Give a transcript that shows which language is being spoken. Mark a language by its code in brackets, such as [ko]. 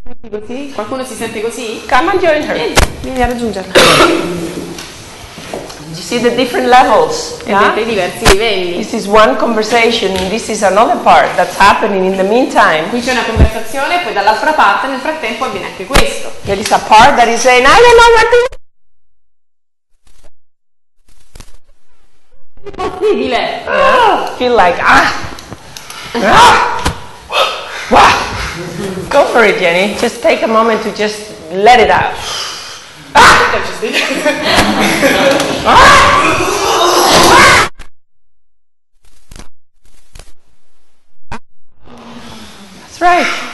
[it] Così? Qualcuno si sente così? [en] Come and join her. [it] Vieni a raggiungerla. [en] You see the different levels? [it] Yeah? Vedete i diversi livelli. [en] This is one conversation, this is another part that's happening in the meantime. [it] Qui c'è una conversazione, poi dall'altra parte nel frattempo avviene anche questo. [en] There is a part that is saying, I don't know what to [it] do. Impossibile. [en] Feel like, ah! Ah! Wow! Go for it, Jenny. Just take a moment to just let it out. That's right.